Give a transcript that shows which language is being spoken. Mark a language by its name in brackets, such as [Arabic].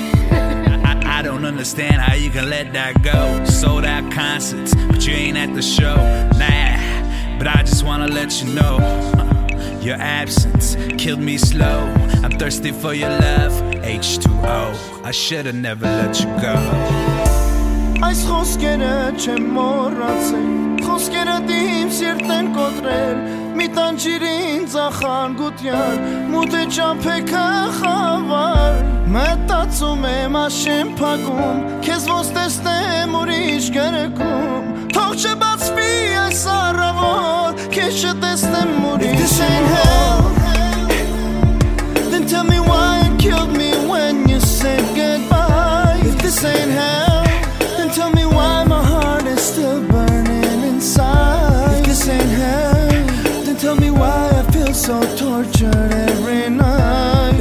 [English] I don't understand how you can let that go. Sold out concerts, but you ain't at the show. Nah, but I just wanna let you know. Your absence killed me slow. I'm thirsty for your love, H2O. I should've never let you go. [Armenian] Այս խոսքերը չեմ մոռացել, խոսքերը իմ սիրտեն կոտրել, մի տանջիր ինձ ախանգության, մութ է ճամփեքը խավար, մտածում եմ աշեմ փակում, քեզ ոս տեսնեմ ուրիշ գրկում, թող չբացվի այս առավոտ, քեզ չտեսնեմ ուրիշ գրկում. [English] Then tell me why you killed me when you said goodbye. If this ain't hell, tell me why my heart is still burning inside. If this ain't hell, then tell me why I feel so tortured every night.